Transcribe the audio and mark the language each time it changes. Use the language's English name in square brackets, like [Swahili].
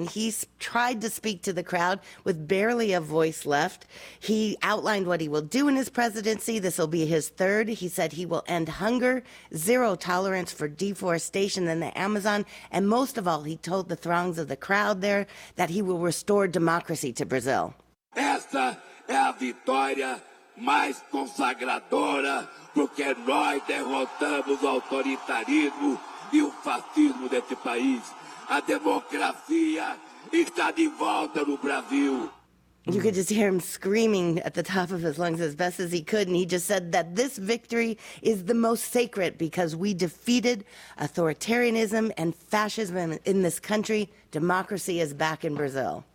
[English] And he tried to speak to the crowd with barely a voice left. He outlined what he will do in his presidency. This will be his third. He said he will end hunger, zero tolerance for deforestation in the Amazon, and most of all, he told the throngs of the crowd there that he will restore democracy to Brazil. [Portuguese] Esta é a vitória mais consagradora, porque nós derrotamos o autoritarismo e o fascismo desse país. A democracia está de volta no Brasil. [English] You could just hear him screaming at the top of his lungs as best as he could. And he just said that this victory is the most sacred because we defeated authoritarianism and fascism in this country. Democracy is back in Brazil.